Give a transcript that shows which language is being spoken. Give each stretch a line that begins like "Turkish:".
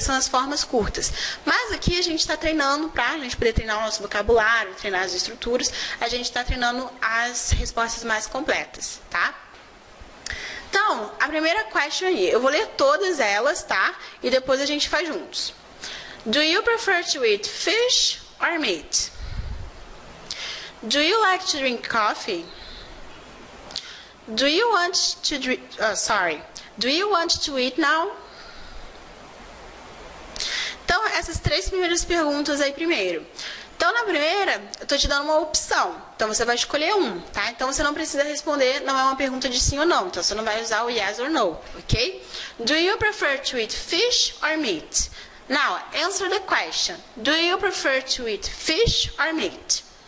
Portuguese: São as formas curtas. Mas aqui a gente está treinando, para a gente poder treinar o nosso vocabulário, treinar as estruturas, a gente está treinando as respostas mais completas, tá? Então, a primeira question aí, eu vou ler todas elas, tá? E depois a gente faz juntos.
English: Do you prefer to eat fish or meat? Do you like to drink coffee? Do you want to drink... Do you want to eat now?
Portuguese: Então, essas três primeiras perguntas aí primeiro. Então, Então, na primeira, eu estou te dando uma opção. Então, você vai escolher um, tá? Então, você não precisa responder, não é uma pergunta de sim ou não. Então, você não vai usar o yes or no, ok?
English: Do you prefer to eat fish or meat? Now, answer the question. Do you prefer to eat fish or meat?